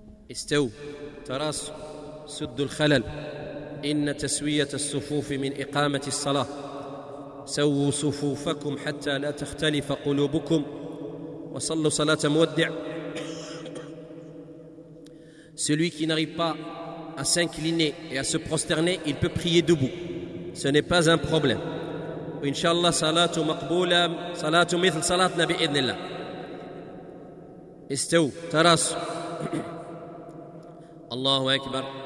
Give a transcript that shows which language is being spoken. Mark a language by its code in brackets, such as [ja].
[ar] استو تراس سد الخلل، إن تسوية الصفوف من إقامة الصلاة. سووا صفوفكم حتى لا تختلف قلوبكم، وصلوا صلاة مودع. [fr] Celui qui n'arrive pas à s'incliner et à se prosterner, il peut prier debout. Ce n'est pas un problème. [ar] Inch'Allah, salatu مقبولة salatu مثل salatna بإذن الله. استو تراس. الله أكبر.